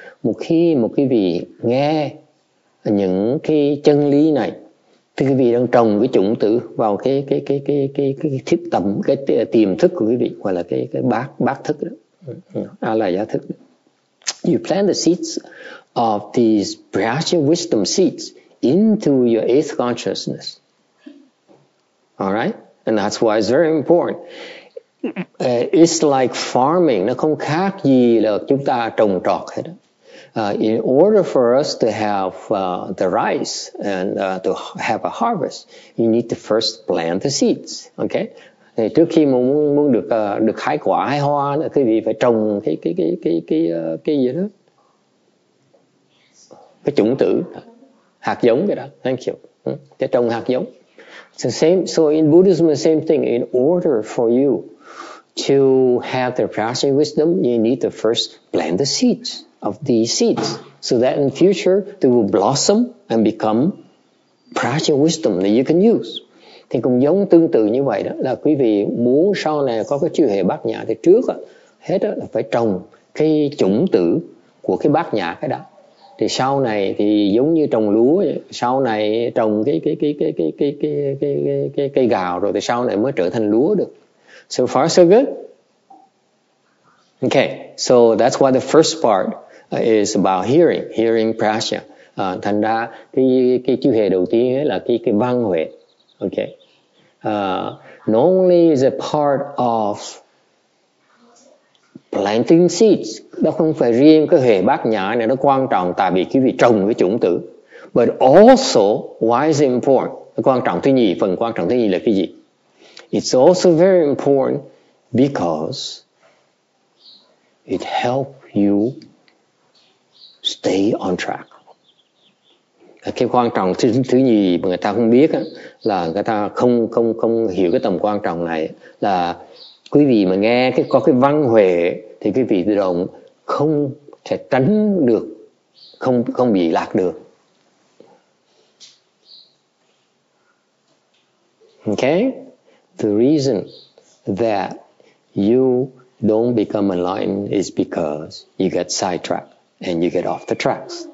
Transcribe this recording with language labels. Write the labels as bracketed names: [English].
[Vietnamese] Một khi một quý vị nghe những cái chân lý này, thì quý vị đang trồng cái chủng tử vào cái tiềm thức của quý vị, hoặc là cái bát thức đó, là giá thức đó. [English] You plant the seeds of these prajna wisdom seeds into your eighth consciousness. All right, and that's why it's very important. It's like farming. [Vietnamese] Nó không khác gì là chúng ta trồng trọt hết. [English] In order for us to have the rice and to have a harvest, you need to first plant the seeds. Okay? [Vietnamese] Thì trước khi mà muốn được được hái quả hái hoa, quý vị phải trồng cái chủng tử, hạt giống cái đó. [English] Thank you. [Vietnamese] Để trồng hạt giống. [English] So same. So in Buddhism, the same thing. In order for you to have the prajna wisdom, you need to first plant the seeds of the seeds, so that in future they will blossom and become prajna wisdom that you can use. [Vietnamese] Thì cũng giống tương tự như vậy đó, là quý vị muốn sau này có cái chư hệ bát nhã thì trước hết là phải trồng cái chủng tử của cái bát nhã cái đó. thì sau này thì giống như trồng lúa, sau này trồng cái cây gạo rồi thì sau này mới trở thành lúa được. [English] So far so good. Okay, so that's why the first part is about hearing, hearing prasya. [Vietnamese] Thành ra cái chư hệ đầu tiên là cái văn huệ. Okay. [English] Normally is a part of planting seeds. [Vietnamese] Đó không phải riêng cái hệ bát nhã này nó quan trọng tại vì cái việc trồng với chủng tử. [English] But also, why is it important? [Vietnamese] Quan trọng thứ nhì, phần quan trọng thứ nhì là cái gì? [English] It's also very important because it helps you stay on track. [Vietnamese] Cái quan trọng thứ nhì mà người ta không biết á, là người ta không hiểu cái tầm quan trọng này, là quý vị mà nghe cái có cái văn huệ thì quý vị tự động không thể tránh được, không bị lạc được. [English] Okay, the reason that you don't become enlightened is because you get sidetracked and you get off the tracks.